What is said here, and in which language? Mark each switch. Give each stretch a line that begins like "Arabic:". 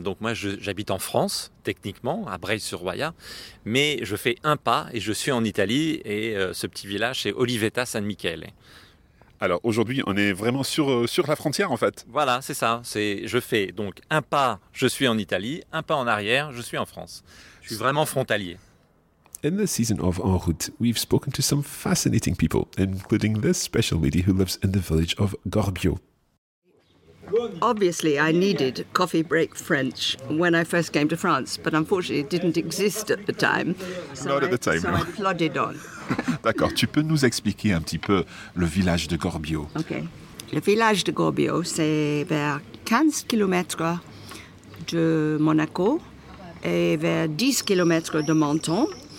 French: Donc, moi, j'habite en France, techniquement, à Breil-sur-Roya. Mais je fais un pas et je suis en Italie. Et ce petit village, c'est Olivetta San Michele. Alors, aujourd'hui, on est vraiment sur la frontière, en fait. Voilà, c'est ça. Je fais donc un pas, je suis en Italie. Un pas en arrière, je suis en France. Je suis vraiment frontalier.
English: In this season of En Route, we've spoken to some fascinating people, including this special lady who lives in the village of Gorbio. Obviously, I needed coffee break French when I first came to France, but unfortunately, it didn't exist at the time. Not at the time, no. So I plodded on.
French: D'accord. Tu peux nous expliquer un petit peu le village de Gorbio?
English: Okay.
French: Le village de Gorbio, c'est vers 15 kilomètres de Monaco et vers 10 kilomètres de Menton.